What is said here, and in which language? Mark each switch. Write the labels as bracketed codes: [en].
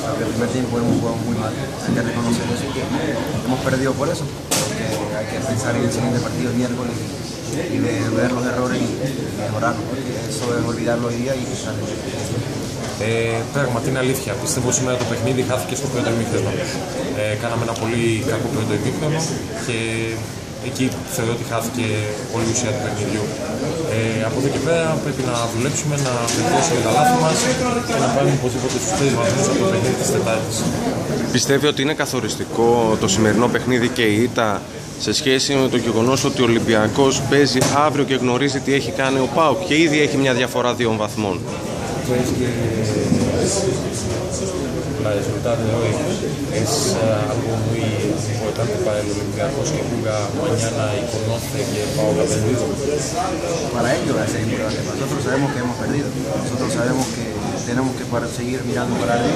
[es] El primer tiempo hemos jugado muy mal, hay que reconocerlo. Hemos perdido por eso, porque hay que pensar en el siguiente partido, el miércoles, y de ver los errores y mejorarlos, porque eso es olvidarlo hoy día y pensar en [el] Πράγματι είναι αλήθεια. Πιστεύω σήμερα το παιχνίδι χάθηκε στο πρώτο ημίχρονο. Κάναμε ένα πολύ κακό πρώτο ημίχρονο και εκεί θεωρώ ότι χάθηκε πολύ ουσία του παιχνιδιού. Από εδώ και πέρα πρέπει να δουλέψουμε, να βελτιώσουμε τα λάθη μας και να πάρουμε οπωσδήποτε στους 3 βαθμούς από το παιχνίδι της Τετάρτης. Πιστεύει ότι είναι καθοριστικό το σημερινό παιχνίδι και η ΙΤΑ σε σχέση με το γεγονός ότι ο Ολυμπιακός παίζει αύριο και γνωρίζει τι έχει κάνει ο ΠΑΟΚ και ήδη έχει μια διαφορά 2 βαθμών. [es] La resultado de hoy es algo muy importante para el Olympiacos que juega mañana y conoce que Pau ha perdido. Para ellos es importante, nosotros sabemos que hemos perdido, nosotros sabemos que tenemos que seguir mirando para arriba.